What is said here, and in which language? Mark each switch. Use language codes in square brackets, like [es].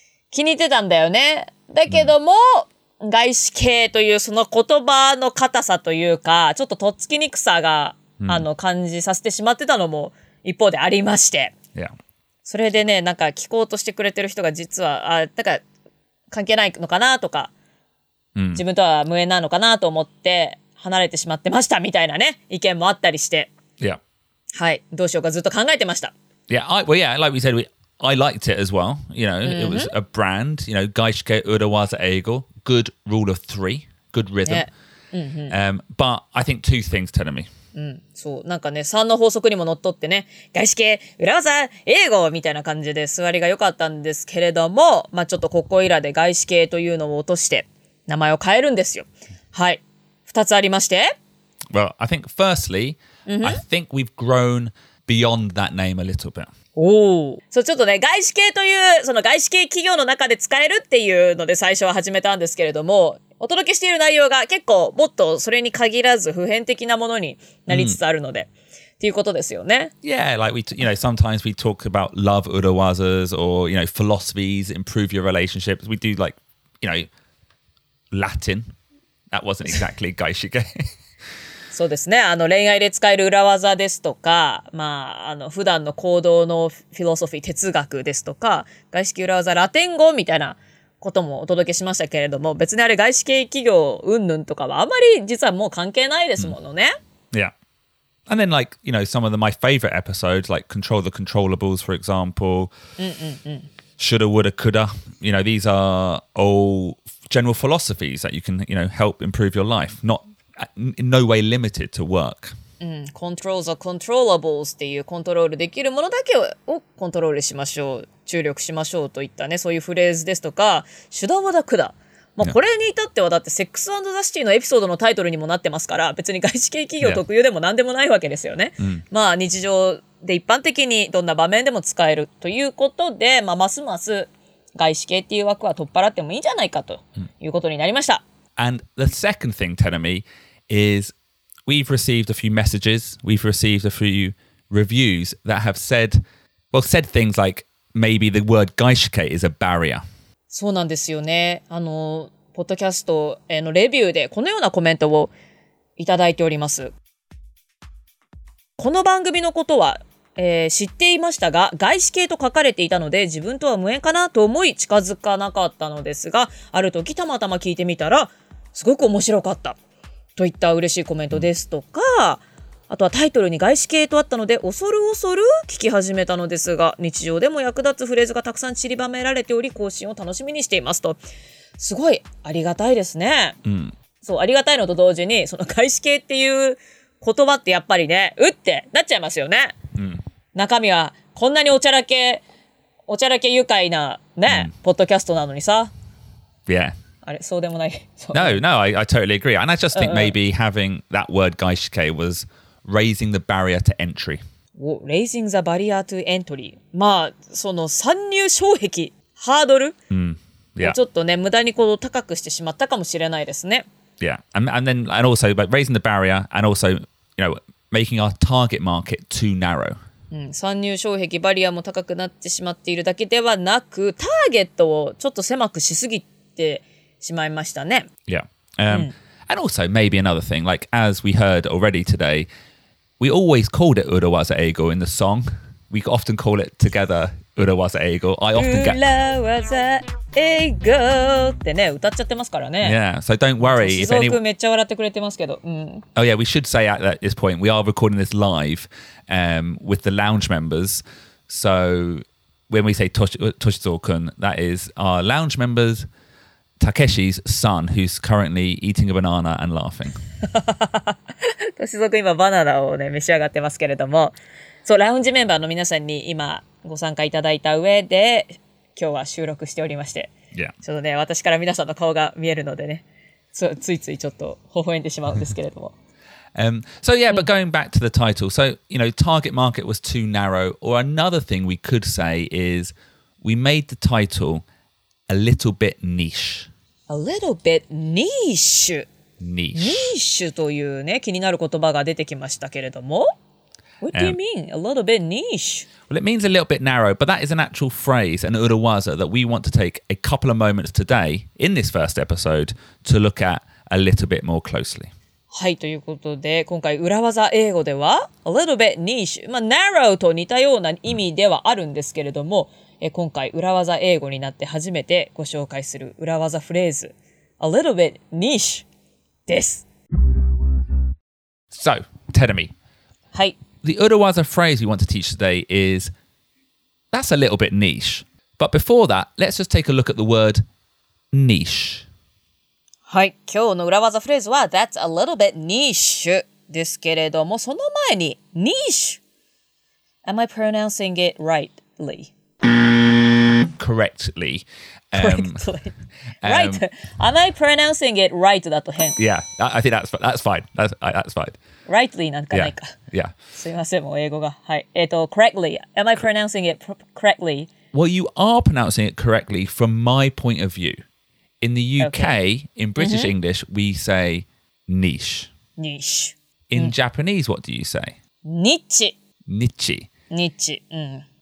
[ja] 気に入ってたんだよね。だけども、外資系というその言葉の硬さというか、ちょっととっつきにくさが、感じさせてしまってたのも一方でありまして。 [en] Yeah. [ja] それでね、なんか聞こうとしてくれてる人が実は、なんか関係ないのかなとか、自分とは無縁なのかなと思って離れてしまってましたみたいなね、意見もあったりして。 [en] Yeah. [ja] はい。どうしようかずっと考えてました。 [en] Yeah, like we said, I liked it as well. You know, it was a brand. You know, Gaishike Urawaza Eigo. Good rule of three. Good rhythm.、 [ja] ね [en] but I think two things telling me.、 [ja] そう。なんかね、3の法則にも則ってね、外資系Urawaza Eigoみたいな感じで座りが良かったんですけれども、まぁ、ちょっとここいらで外資系というのを落として名前を変えるんですよ。はい。2つありまして。 [en] Well, I think firstly, I think we've grown beyond that name a little bit. [ja] おお、そうちょっとね、外資系というその外資系企業の中で使えるっていうので最初は始めたんですけれども、お届けしている内容が結構もっとそれに限らず普遍的なものになりつつあるので、mm. っていうことですよね。 [en] Yeah, like we, you know, sometimes we talk about love urawazas or you know philosophies, improve your relationships. We do like, you know, Latin. That wasn't exactly 外資系。 [ja] そうですね、あの恋愛で使える裏技ですとか、まあ、あの普段の行動のフィロソフィー哲学ですとか、外資系裏技ラテン語みたいなこともお届けしましたけれども、別にあれ外資系企業云々とかはあまり実はもう関係ないですものね。 [en] Yeah. And then like, you know, some of the, my favorite episodes, like Control the Controllables, for example. Shoulda, woulda, coulda. You know, these are all general philosophies that you can, you know, help improve your life. Notin no way limited to work. Controls are controllables [ja] っていうコントロールできるものだけをコントロールしましょう、注力しましょうといったね、そういうフレーズですとか、シュダワダクダ。まあ、これに至ってはだってセックス&ザシティのエピソードのタイトルにもなってますから、別に外資系企業特有でも何でもないわけですよね。 [en] Yeah. [ja] まあ日常で一般的にどんな場面でも使えるということで、まあ、ますます外資系っていう枠は取っ払ってもいいんじゃないかということになりました。 [en] And the second thing, Tenami, is we've received a few messages, we've received a few reviews that have said, well, said things like maybe the word gaishike is a barrier. [ja] そうなんですよね。あの、ポッドキャストへのレビューでこのようなコメントをいただいております。この番組のことは、知っていましたが、外資系と書かれていたので自分とは無縁かなと思い近づかなかったのですが、ある時たまたま聞いてみたら、すごく面白かったといった嬉しいコメントですとか、あとはタイトルに外資系とあったので恐る恐る聞き始めたのですが、日常でも役立つフレーズがたくさん散りばめられており、更新を楽しみにしていますと。すごいありがたいですね。うん、そうありがたいのと同時に、その外資系っていう言葉ってやっぱりね、うってなっちゃいますよね。うん、中身はこんなにおちゃらけ愉快なね、うん、ポッドキャストなのにさ。 [en] Yeah. No, no, I totally agree. And I just think maybe having that word gaishike was raising the barrier to entry. Raising the barrier to entry. [ja] まあ、その参入障壁、ハードル、 [en] yeah. [ja] ちょっとね、無駄にこう高くしてしまったかもしれないですね。 [en] Yeah, and also but raising the barrier and also, you know, making our target market too narrow. [ja] 参入障壁バリアも高くなってしまっているだけではなく、ターゲットをちょっと狭くしすぎて、しまいましたね。 [en] Yeah. And also maybe another thing, like as we heard already today, we always called it Urawaza Eigo in the song. We often call it together Urawaza Eigo. I often get [ja] Urawaza Eigo ってね、歌っちゃってますからね。 [en] Yeah. So don't worry. [ja] しずおくめっちゃ笑ってくれてますけど。 [en] Oh yeah, we should say at this point, we are recording this live, with the lounge members. So when we say Toshizou-kun, that is our lounge members. Takeshi's son, who's currently eating a banana and laughing. [ja] Toshizou-kun 今バナナをね召し上がってますけれども、そうラウンジメンバーの皆さんに今ご参加いただいた上で今日は収録しておりまして、 [en] yeah. [ja] ちょっとね私から皆さんの顔が見えるのでね、ついついちょっと微笑んでしまうんですけれども。 [en] So yeah, but going back to the title, so you know, target market was too narrow. Or another thing we could say is we made the title. A little bit niche. A little bit niche. Niche. [ja] Niche というね、気になる言葉が出てきましたけれども。 [en] What do you mean? A little bit niche. Well, it means a little bit narrow, but that is an actual phrase, an urawaza that we want to take a couple of moments today in this first episode to look at a little bit more closely. [ja] はい、ということで、今回裏技英語では [en] a little bit niche、 [ja] まあ、narrow と似たような意味ではあるんですけれども、今回裏技英語になって初めてご紹介する裏技フレーズ [en] A little bit niche [ja] です。 [en] So, Tenami. [ja] はい。 [en] The 裏技 phrase we want to teach today is That's a little bit niche. But before that, let's just take a look at the word niche. [ja] はい。今日の裏技フレーズは [en] That's a little bit niche [ja] ですけれども、その前に niche. [en] Am I pronouncing it rightly? Correctly. Right. Am I pronouncing it right? [ja] だと変。 [en] Yeah, I think that's fine. That's fine. [ja] Rightly なんかないか。 [en] Yeah. [ja] すいません、もう英語が。はい。Correctly. [en] Am I pronouncing it correctly? Well, you are pronouncing it correctly from my point of view. In the UK,、okay. in British、mm-hmm. English, we say niche. Niche. In、mm. Japanese, what do you say? Niche. Niche. Niche.、Mm.